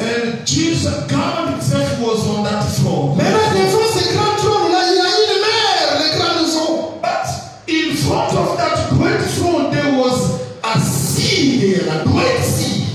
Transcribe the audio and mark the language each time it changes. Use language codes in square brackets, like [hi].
[en] And Jesus, God Himself was on that throne. [fr] Mais là, devant ce grand trône, là, il y a une mer, les grandes eaux. [en] But in front of that great throne, there was a sea there, a great sea.